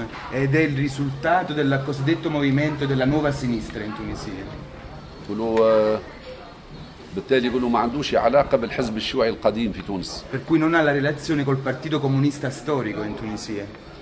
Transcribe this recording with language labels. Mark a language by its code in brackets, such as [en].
[it] Ed è il risultato del cosiddetto movimento della nuova sinistra in Tunisia. [ar] بالتالي يقولوا ما عندوش علاقة بالحزب الشيوعي القديم في تونس. [it] Per cui non ha la relazione col Partito Comunista storico in Tunisia.